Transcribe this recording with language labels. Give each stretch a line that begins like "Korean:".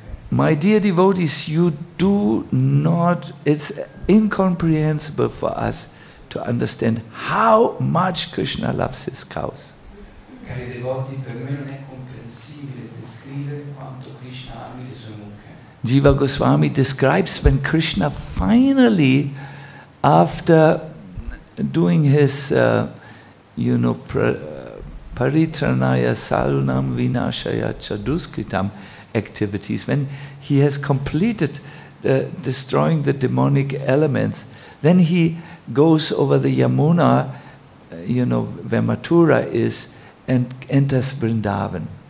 English: My dear devotees, you do not, it's incomprehensible for us to understand how much Krishna loves his cows.
Italian: Cari devoti, per me non è comprensibile descrivere quanto Krishna ami le sue mucche.
English: Jiva Goswami describes when Krishna finally, after doing his, Paritranaya Salunam Vinashaya Chaduskritam activities, when he has completed destroying the demonic elements, then he goes over the Yamuna, where Mathura is, and enters Vrindavan.